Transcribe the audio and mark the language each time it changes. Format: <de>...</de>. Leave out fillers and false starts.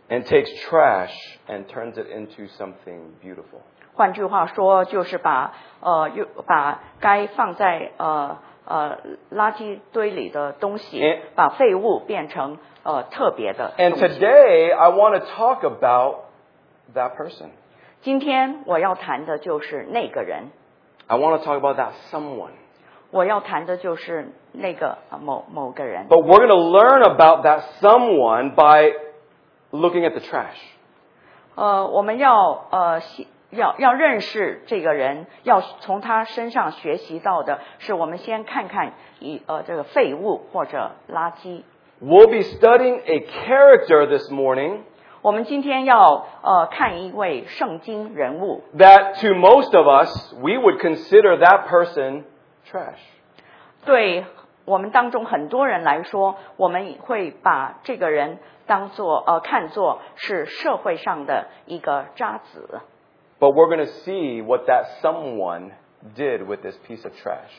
<en>And takes trash and turns it into something beautiful.</en> <zh>换句话说, 就是把, 把该放在, 垃圾堆里的东西, and, 把废物变成, 特别的东西。</zh> <en>And today, I want to talk about that person.</en> <zh>今天我要谈的就是那个人。</zh> <en>I want to talk about that someone.</en> <zh>我要谈的就是那个, 某个人。</zh> <en>But we're going to learn about that someone by looking at the trash.</en> <zh>我们要, 要认识这个人, 要从他身上学习到的, 是我们先看看, 这个废物或者垃圾。</zh> <en>We'll be studying a character this morning.</en> <zh>我们今天要, 看一位圣经人物。</zh> <en>That to most of us, we would consider that person trash.</en> <zh>对我们当中很多人来说, 我们会把这个人当作, 看作是社会上的一个渣子。</zh> <en>But we're going to see what that someone did with this piece of trash.</en>